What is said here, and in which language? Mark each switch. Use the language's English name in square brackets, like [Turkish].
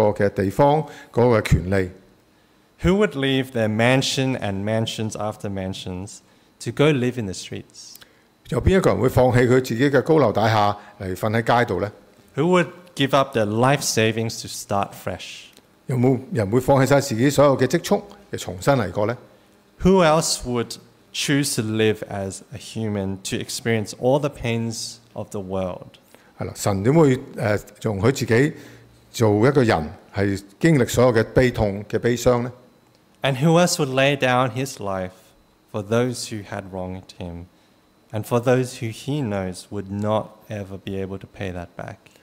[Chinese] 誰人會放棄他們自己的地方、權利? [English] Who would leave their mansion and mansions after mansions to go live in the streets? [Chinese] 又誰人會放棄他自己的高樓大廈來睡在街上呢? [English] Who would give up their life savings to start fresh? [Chinese] 有沒有人會放棄自己所有的積蓄重新來過呢? [English] Who else would choose to live as a human to experience all the pains of the world? [Chinese] 神怎會容許自己做一個人經歷所有的悲痛、悲傷呢? [English] And who else would lay down his life for those who had wronged him and for those who he knows would not ever be able to pay that back?